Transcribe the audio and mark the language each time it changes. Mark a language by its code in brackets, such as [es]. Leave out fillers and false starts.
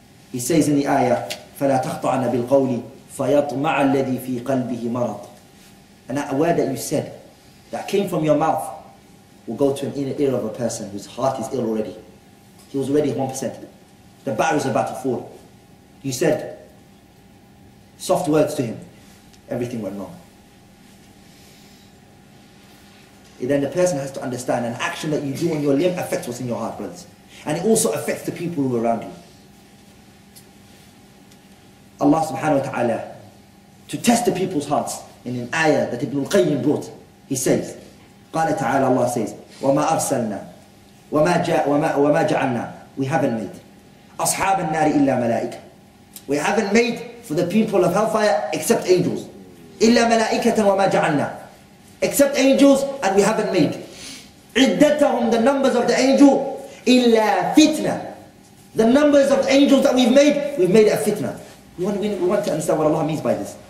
[en] He says in the ayah, [ar] فَلَا تَخْطَعَنَ بِالْقَوْلِ فَيَطْمَعَ الَّذِي فِي قَلْبِهِ مَرَضٌ. [en] And that word that you said, that came from your mouth, will go to an inner ear of a person whose heart is ill already. He was already 1%. The battery is about to fall. You said soft words to him. Everything went wrong. And then the person has to understand an action that you do on your limb affects what's in your heart, brothers. And it also affects the people who are around you. Allah subhanahu wa ta'ala, to test the people's hearts, in an ayah that Ibn al-Qayyim brought, he says, [ar] قال تعالى, [en] Allah says, [ar] وَمَا أَرْسَلْنَا وَمَا جَعَلْنَا. [en] We haven't made [ar] أصحاب النار إلا ملائكة. [en] We haven't made for the people of hellfire except angels. [ar] إلا ملائكة وَمَا جَعَلْنَا. [en] Except angels, and we haven't made [ar] عِدَّتَهُمْ, [en] the numbers of the angel, [ar] إلا فتنة. [en] The numbers of the angels that we've made a fitna. We want to understand what Allah means by this.